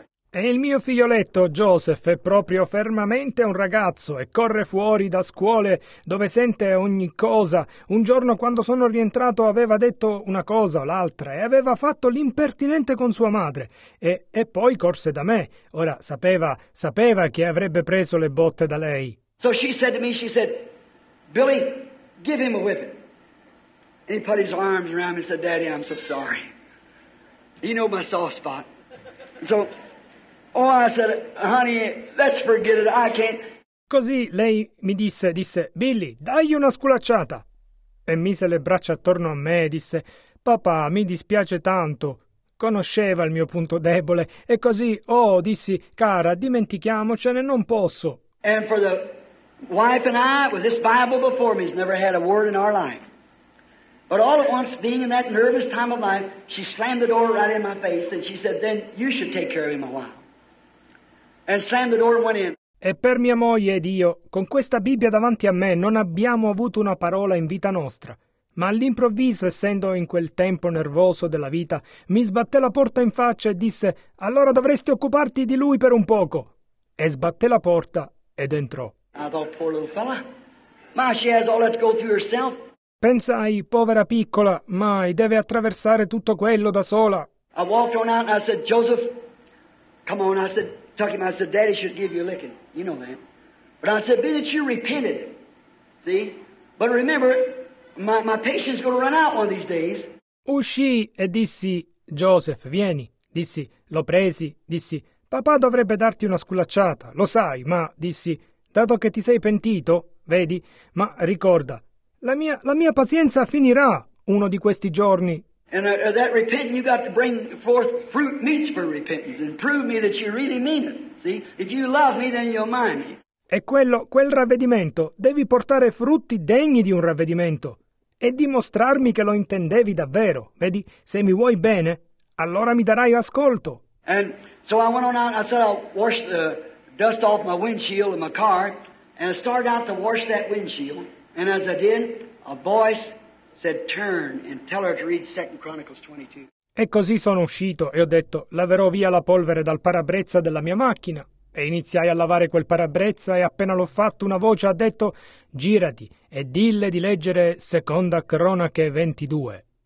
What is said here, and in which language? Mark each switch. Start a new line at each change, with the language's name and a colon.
Italian: E il mio figlioletto, Joseph, è proprio fermamente un ragazzo e corre fuori da scuole dove sente ogni cosa. Un giorno quando sono rientrato aveva detto una cosa o l'altra e aveva fatto l'impertinente con sua madre e poi corse da me. Ora sapeva che avrebbe preso le botte da lei.
English: So she said to me, she said, Billy, give him a whipping. And he put his arms around me and said, Daddy, I'm so sorry. You know my soft spot. So, oh, I said, honey, let's forget it, I can't.
Italian: Così lei mi disse, Billy, dagli una sculacciata. E mise le braccia attorno a me e disse, papà, mi dispiace tanto, conosceva il mio punto debole e così, oh, dissi, cara, dimentichiamocene, non posso.
English: And for the wife and I, with this Bible before me, has never had a word in our life. But all at once, being in that nervous time of life, she slammed the door right in my face and she said, then you should take care of him a while. And slammed the door and went in.
Italian: E per mia moglie ed io, con questa Bibbia davanti a me, non abbiamo avuto una parola in vita nostra. Ma all'improvviso, essendo in quel tempo nervoso della vita, mi sbatté la porta in faccia e disse, allora dovresti occuparti di lui per un poco. E sbatté la porta ed entrò.
English: I thought, poor little fella. Ma she has all that to go through herself.
Italian: Pensai, povera piccola, mai deve attraversare tutto quello da sola.
English: I walked on out and I said, Joseph, come on, I said, tuck him, I said, daddy should give you a licking, you know that. But I said, Bennett, you repented, see? But remember, my patience is going to run out one of these days.
Italian: Uscii e dissi, Joseph, vieni, dissi, lo presi, dissi, papà dovrebbe darti una sculacciata, lo sai, ma, dissi, dato che ti sei pentito, vedi, ma ricorda, la mia pazienza finirà uno di questi giorni.
English: And that repenting, you got to bring forth fruit meats for repentance and prove me that you really mean it. See, if you love me, then you'll mind me.
Italian: E quel ravvedimento, devi portare frutti degni di un ravvedimento e dimostrarmi che lo intendevi davvero. Vedi, se mi vuoi bene, allora mi darai ascolto.
English: And so I went on out and I said I'll wash the dust off my windshield in my car. And I started out to wash that windshield. And as I did, a voice said, turn and tell her to read 2 Chronicles 22.
Italian: E così sono uscito e ho detto, laverò via la polvere dal parabrezza della mia macchina. E iniziai a lavare quel parabrezza e appena l'ho fatto una voce ha detto, girati e dille di leggere 2 Cronache 22.